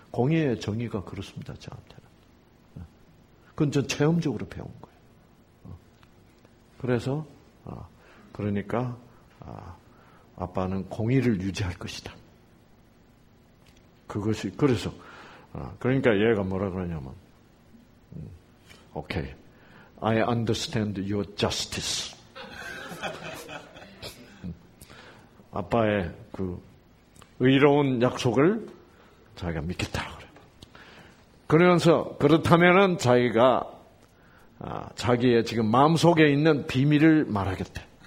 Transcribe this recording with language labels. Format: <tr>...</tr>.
<ko>공의의 정의가 그렇습니다. 저한테는. 그건 전 체험적으로 배운 거예요. 그래서 그러니까 아빠는 공의를 유지할 것이다. 그것이 그래서 그러니까 얘가 뭐라 그러냐면 오케이.</ko> <en>I understand your justice.</en> <ko>아빠의 그 의로운 약속을 자기가 믿겠다 그래. 그러면서 그렇다면은 자기가 자기의 지금 마음 속에 있는 비밀을 말하겠대.</ko>